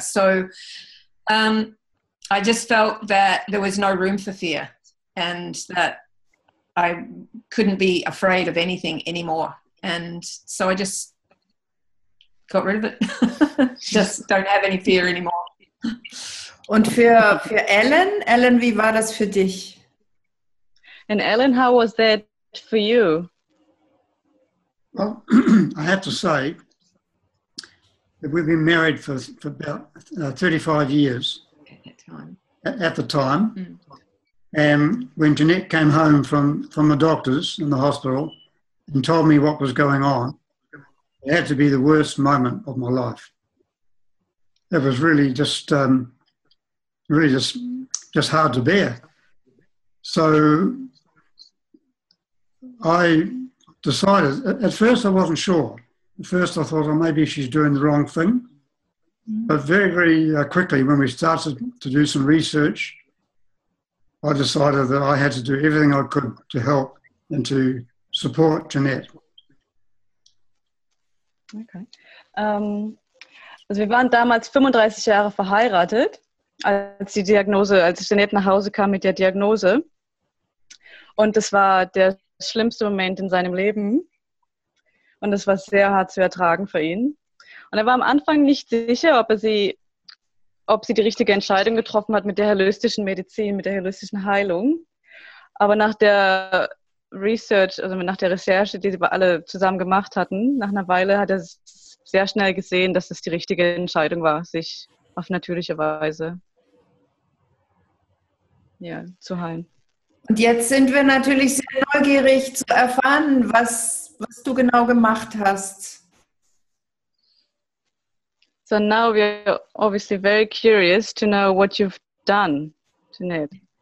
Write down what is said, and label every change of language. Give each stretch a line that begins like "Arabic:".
English: So I just felt that there was no room for fear and that I couldn't be afraid of anything anymore. And so I just got rid of it. Just don't have any fear anymore.
German: Und für Ellen, Ellen, wie war das für dich?
English: And Ellen, how was that for you? Well, I have to say that we've been married for about 35 years at the time. Mm. And when Jeanette came home from the doctors in the hospital and told me what was going on, it had to be the worst moment of my life. It was really just hard to bear. So I decided, at first I wasn't sure. At first I thought, oh, maybe she's doing the wrong thing. Mm-hmm. But very, very quickly, when we started to do some research, I decided that I had to do everything I could to help and to support Jeanette. Okay.
German: Also wir waren damals 35 Jahre verheiratet, als Jeanette nach Hause kam mit der Diagnose. Und das war der schlimmste Moment in seinem Leben. Und es war sehr hart zu ertragen für ihn. Und er war am Anfang nicht sicher, ob sie die richtige Entscheidung getroffen hat mit der holistischen Medizin, mit der holistischen Heilung. Aber nach der Research, also nach der Recherche, die sie alle zusammen gemacht hatten, nach einer Weile hat er sehr schnell gesehen, dass es die richtige Entscheidung war, sich auf natürliche Weise zu heilen. Und jetzt sind wir natürlich sehr neugierig zu erfahren, was du genau gemacht hast.
English: So now we're obviously very curious to know what you've done, Jeanette.